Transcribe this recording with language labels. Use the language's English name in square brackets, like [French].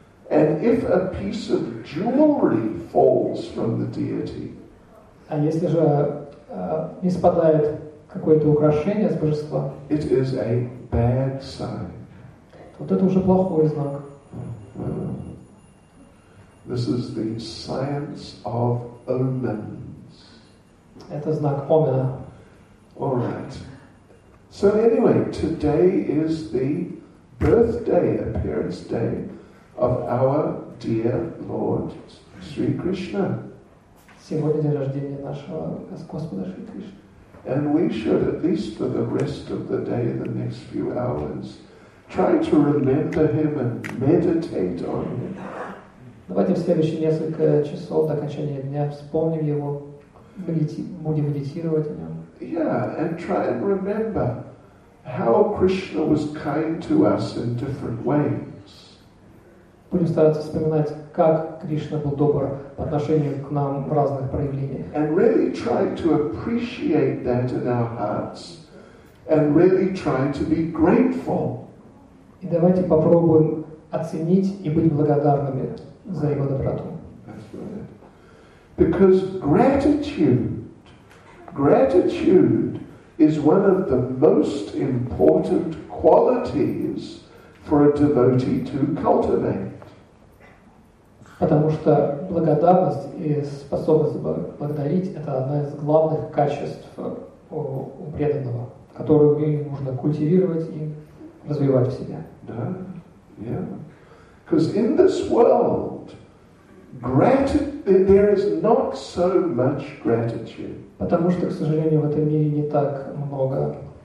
[English] And if a piece of jewelry falls from the deity. [Russian] А если же не спадает какое-то украшение с божества. [English] It is a bad sign. [Russian] Вот это уже плохой знак. [English] This is the science of omens. [Russian] Это знак омена. [English] All right. So anyway, today is the birthday, appearance day of our dear Lord Sri Krishna. [Russian] Сегодня день рождения нашего Господа Шри Кришны. [English] And we should, at least for the rest of the day, the next few hours, try to remember him and meditate on him. [Russian] Давайте в следующие несколько часов до окончания дня вспомним его, будем медитировать о нем. [English] Yeah, and try and remember how Krishna was kind to us in different ways. [Russian] Будем стараться вспоминать, как Кришна был добр по отношению к нам в разных проявлениях. [English] And really try to appreciate that in our hearts. And really try to be grateful. [Russian] И давайте попробуем оценить и быть благодарными за его доброту. [English] Because gratitude is one of the most important qualities for a devotee to cultivate. [Russian] Потому что благодарность и способность благодарить – это одна из главных качеств у преданного, которую нужно культивировать и развивать в себе. Да, [English] yeah. Because in this world, there is not so much gratitude. [Russian] Потому что, к сожалению, в этом мире не так много.